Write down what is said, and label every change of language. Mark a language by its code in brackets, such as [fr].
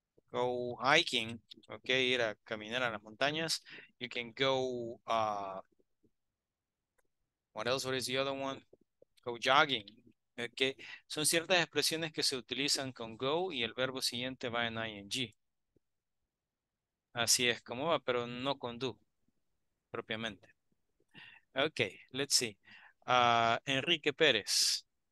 [en] Go hiking, okay, [es] ir a caminar a las montañas. [en] You can go, what else, what is the other one? Go jogging, okay. [es] Son ciertas expresiones que se utilizan con go y el verbo siguiente va en ing. Así es como va, pero no con do, propiamente. [en] Okay, let's see. Enrique Pérez.